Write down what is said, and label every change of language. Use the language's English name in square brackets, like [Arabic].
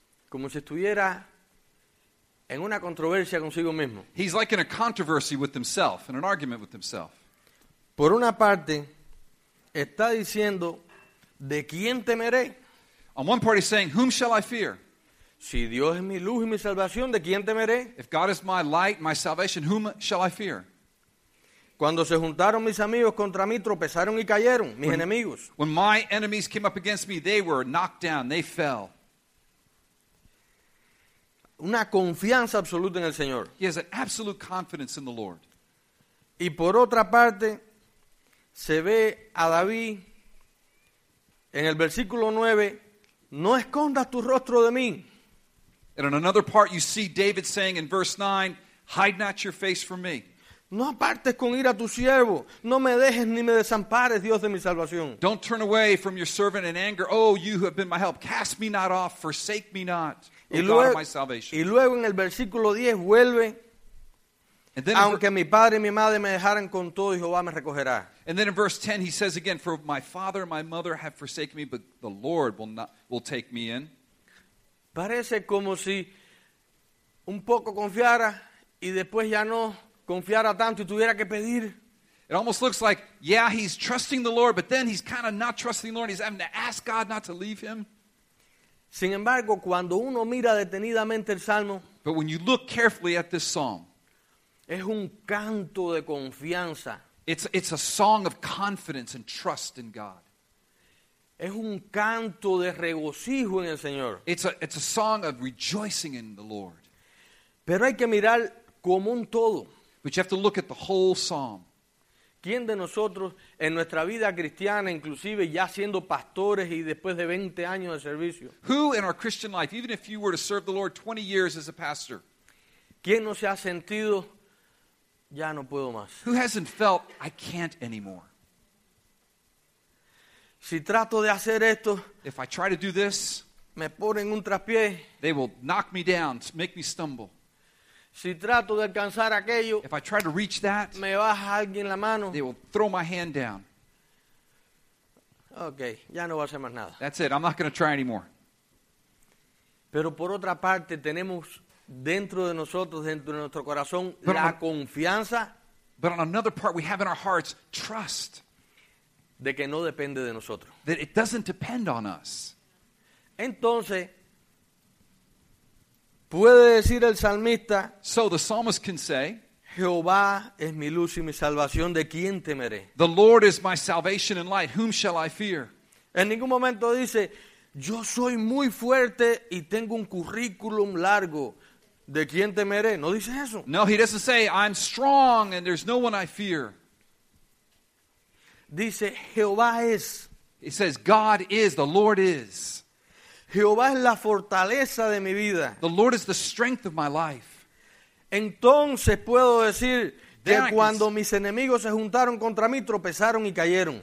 [Spanish] Como si estuviera en una controversia consigo mismo. [English] He's like in a controversy with himself, in an argument with himself. [Spanish] Por una parte, está diciendo, ¿de quién temeré? [English] On one part, he's saying, whom shall I fear? [Spanish] Si Dios es mi luz y mi salvación, ¿de quién temeré? [English] If God is my light, my salvation, whom shall I fear? [Spanish] Cuando se juntaron mis amigos contra mí, tropezaron y cayeron, mis enemigos. [English] When my enemies came up against me, they were knocked down, they fell. [Spanish] Una confianza absoluta en el Señor. [English] He has an absolute confidence in the Lord. [Spanish] Y por otra parte, se ve a David en el versículo 9, no escondas tu rostro de mí. [English] And in another part, you see David saying in verse 9, hide not your face from me. [Spanish] No apartes con ira a tu siervo. No me dejes ni me desampares, Dios de mi salvación. [English] Don't turn away from your servant in anger. Oh, you who have been my help. Cast me not off. Forsake me not. [Spanish] Luego, [English] God of my salvation. [Spanish] Y luego en el versículo 10 vuelve. [English] And then [Spanish] aunque mi padre y mi madre me dejaran con todo, Jehová me recogerá. [English] And then in verse 10 he says again, for my father and my mother have forsaken me, but the Lord will take me in. [Spanish] Parece como si un poco confiara y después ya no confiara tanto y tuviera que pedir. [English] It almost looks like, yeah, he's trusting the Lord, but then he's kind of not trusting the Lord. He's having to ask God not to leave him. [Spanish] Sin embargo, cuando uno mira detenidamente el salmo, [English] but when you look carefully at this psalm, [Spanish] es un canto de confianza. [English] It's a song of confidence and trust in God. [Spanish] Es un canto de regocijo en el Señor. [English] It's a song of rejoicing in the Lord. [Spanish] Pero hay que mirar como un todo. [English] But you have to look at the whole psalm. [Spanish] ¿Quién de nosotros en nuestra vida cristiana, inclusive ya siendo pastores y después de 20 años de servicio? [English] Who in our Christian life, even if you were to serve the Lord 20 years as a pastor? [Spanish] ¿Quién no se ha sentido, ya no puedo más? [English] Who hasn't felt, I can't anymore? [Spanish] Si trato de hacer esto, [English] if I try to do this, [Spanish] me ponen un traspié. [English] They will knock me down, make me stumble. [Spanish] Si trato de alcanzar aquello, [English] if I try to reach that, [Spanish] me baja alguien la mano. [English] They will throw my hand down. [Spanish] Okay, ya no voy a hacer más nada. [English] That's it, I'm not going to try anymore. [Spanish] Pero por otra parte, tenemos dentro de nosotros, dentro de nuestro corazón, [English] but [Spanish] la confianza. [English] But on another part, we have in our hearts trust. [Spanish] De que no depende de nosotros. [English] That it doesn't depend on us. [Spanish] Entonces, puede decir el salmista, [English] so the psalmist can say, [Spanish] Jehová es mi luz y mi salvación, ¿de quién temeré? [English] The Lord is my salvation and light, whom shall I fear? [Spanish] En ningún momento dice, yo soy muy fuerte y tengo un currículum largo, ¿de quién temeré? No dice eso. [English] No, he doesn't say, I'm strong and there's no one I fear. [Spanish] Dice, Jehová es. [English] It says, God is, the Lord is. [Spanish] Jehová es la fortaleza de mi vida. [English] The Lord is the strength of my life. [Spanish] Entonces puedo decir que cuando mis enemigos se juntaron contra mí, tropezaron y cayeron.